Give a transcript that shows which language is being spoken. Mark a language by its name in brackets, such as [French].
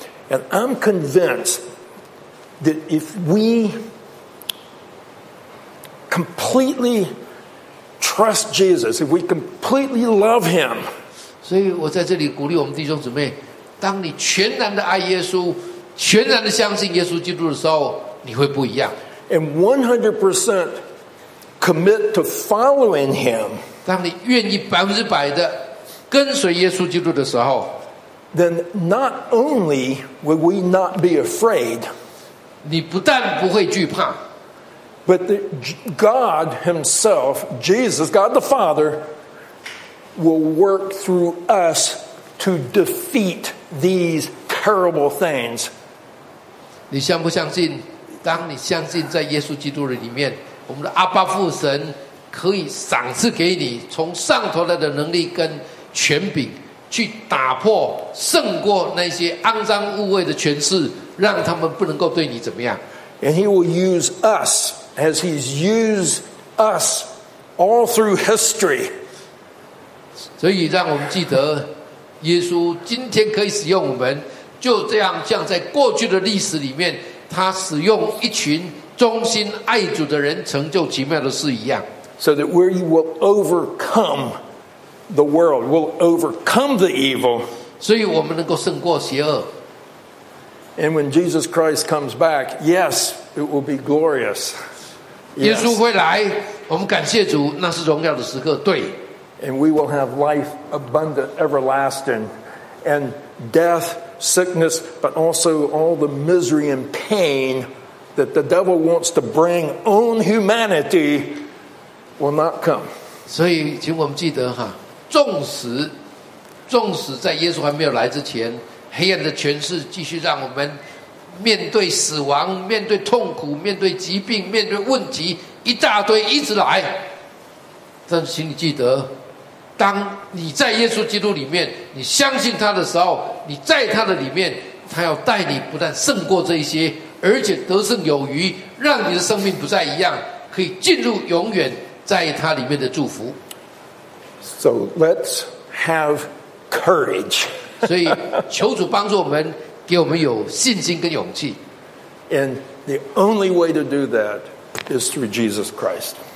[English] And I'm convinced that if we completely trust Jesus, if we completely love him, [Chinese] 所以我在这里鼓励我们弟兄姊妹，当你全然的爱耶稣，全然的相信耶稣基督的时候，你会不一样。 [English] And 100% commit to following him, [Chinese] 当你愿意百分之百的跟随耶稣基督的时候， [English] then not only will we not be afraid, [Chinese] 你不但不会惧怕， [English] but the God himself, Jesus, God the Father,will work through us to defeat these terrible things. [Chinese] 你相不相信？当你相信在耶稣基督的里面，我们的阿爸父神可以赏赐给你从上头来的能力跟权柄，去打破、胜过那些肮脏污秽的权势，让他们不能够对你怎么样。 [English] And he will use us as he's used us all through history. [Chinese] 所以让我们记得耶稣今天可以使用我们，就这样像在过去的历史里面他使用一群忠心爱主的人成就奇妙的事一样。 [English] So that we will overcome the world, will overcome the evil, [Chinese] 所以我们能够胜过邪恶。 [English] And when Jesus Christ comes back, yes, it will be glorious, yes. [Chinese] 耶稣会来，我们感谢主，那是荣耀的时刻，对。 [English] And we will have life abundant, everlasting, and death, sickness, but also all the misery and pain that the devil wants to bring on humanity will not come. [Chinese] 所以请我们记得哈，纵使在耶稣还没有来之前，黑暗的权势继续让我们面对死亡，面对痛苦，面对疾病，面对问题，一大堆一直来。但是请你记得，当你在耶稣基督里面，你相信他的时候，你在他的里面，他要带你不但胜过这些，而且得胜有余，让你的生命不再一样，可以进入永远在他里面的祝福。 [English] So let's have courage. [Chinese] 所以求主帮助我们，给我们有信心跟勇气。 [English] And the only way to do that is through Jesus Christ.